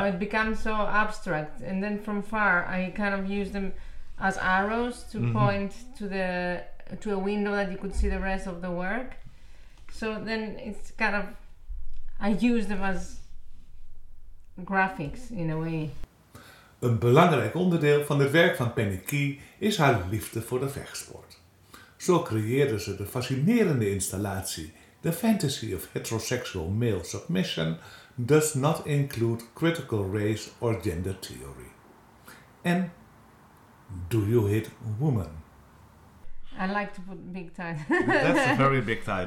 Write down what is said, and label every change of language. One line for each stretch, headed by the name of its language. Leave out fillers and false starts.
English: know, it becomes so abstract. And then from far, I kind of use them as arrows to mm-hmm. point to the to a window that you could see the rest of the work. So then it's kind of... I use them as graphics, in a way.
Dutch: Een belangrijk onderdeel van het werk van Penny Key is haar liefde voor de vechtsport. Zo creëerde ze de fascinerende installatie...
English: The fantasy of heterosexual male submission does not include critical race or gender theory. And do you hit women? I like to put big title. That's a very big title.